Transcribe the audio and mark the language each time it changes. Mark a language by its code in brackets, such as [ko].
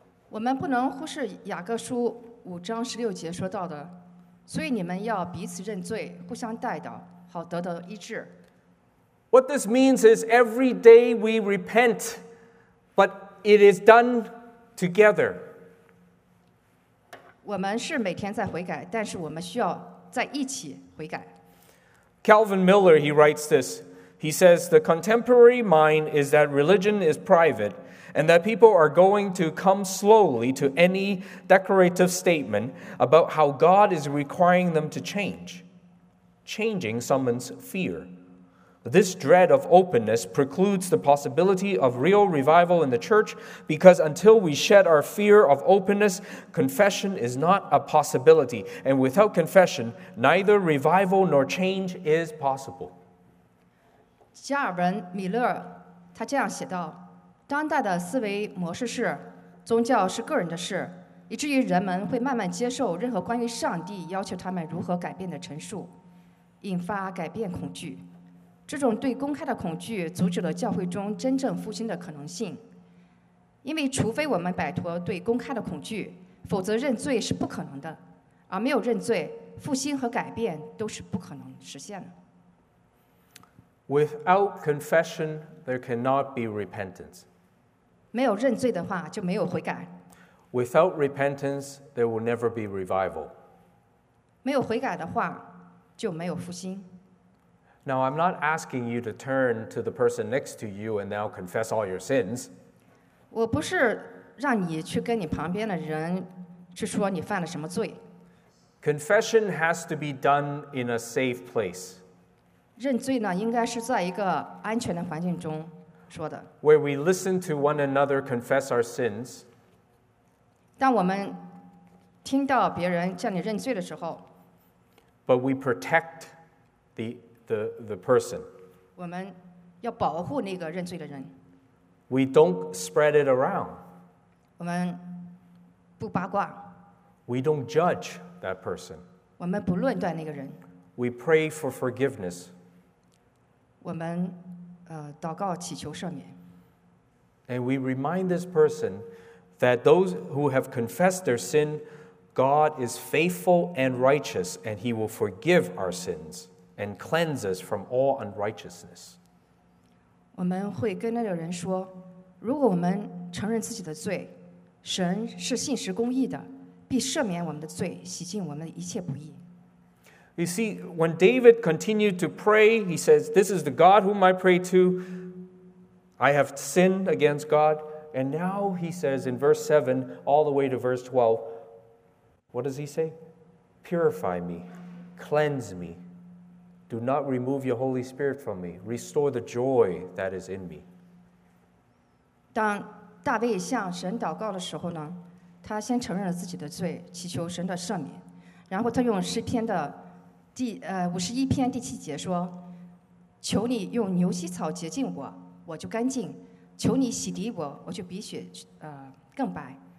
[zh] 我们不能忽视雅各书五章十六节说到的，所以你们要彼此认罪，互相代祷，好得到医治。 [en] What this means is every day we repent, but it is done together. [zh] 我们是每天在悔改，但是我们需要在一起悔改。 [en] Calvin Miller, he writes this. He says, the contemporary mind is that religion is private and that people are going to come slowly to any declarative statement about how God is requiring them to change. Changing summons fear. This dread of openness precludes the possibility of real revival in the church because until we shed our fear of openness, confession is not a possibility. And without confession, neither revival nor change is possible. [zh] 加尔文·米勒他这样写道，当代的思维模式是宗教是个人的事，以至于人们会慢慢接受任何关于上帝要求他们如何改变的陈述，引发改变恐惧。这种对公开的恐惧阻止了教会中真正复兴的可能性，因为除非我们摆脱对公开的恐惧，否则认罪是不可能的，而没有认罪，复兴和改变都是不可能实现的。 [en] Without confession, there cannot be repentance. [zh] 没有认罪的话，就没有悔改。 [en] Without repentance, there will never be revival. [zh] 没有悔改的话，就没有复兴。 [en] Now, I'm not asking you to turn to the person next to you and now confess all your sins. [zh] 我不是让你去跟你旁边的人去说你犯了什么罪。 [en] Confession has to be done in a safe place. [zh] 认罪呢，应该是在一个安全的环境中说的。 [en] Where we listen to one another confess our sins. [zh] 当我们听到别人向你认罪的时候。 [en] But we protect the person. [zh] 我们要保护那个认罪的人。 [en] We don't spread it around. [zh] 我们不八卦。 [en] We don't judge that person. [zh] 我们不论断那个人。 [en] We pray for forgiveness. [zh] 我们祷告祈求赦免。 [en] And we remind this person that those who have confessed their sin, God is faithful and righteous, and he will forgive our sins. And cleanse us from all unrighteousness. [zh] 我们会跟那个人说，如果我们承认自己的罪，神是信实公义的，必赦免我们的罪，洗净我们的一切不义。 [en] You see, when David continued to pray, he says, "This is the God whom I pray to. I have sinned against God." And now he says in verse 7, all the way to verse 12, what does he say? Purify me, cleanse me. Do not remove your Holy Spirit from me. Restore the joy that is in me. [zh] 当大卫向神祷告的时候呢，他先承认了自己的罪，祈求神的赦免。然后他用诗篇的51篇第七节说：“求你用牛膝草洁净我，我就干净；求你洗涤我，我就比雪更白。